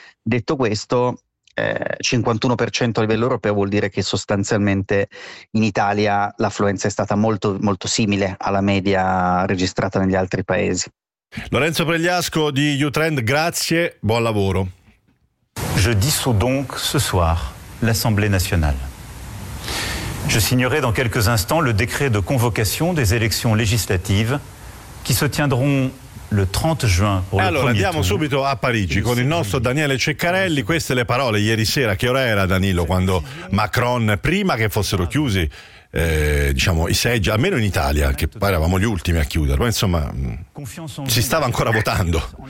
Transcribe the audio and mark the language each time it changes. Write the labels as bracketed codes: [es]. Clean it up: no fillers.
[it] Detto questo, 51% a livello europeo vuol dire che sostanzialmente in Italia l'affluenza è stata molto molto simile alla media registrata negli altri paesi. Lorenzo Pregliasco di Utrend, grazie, buon lavoro. [fr] Je dissous donc ce soir l'Assemblée nationale. Je signerai dans quelques instants le décret de convocation des élections législatives qui se tiendront le 30 juin. [it] Allora andiamo subito a Parigi con il nostro Daniele Ceccarelli. Queste le parole ieri sera. Che ora era, Danilo, quando Macron, prima che fossero chiusi diciamo i seggi, almeno in Italia, che poi eravamo gli ultimi a chiuderlo, insomma, si stava ancora votando.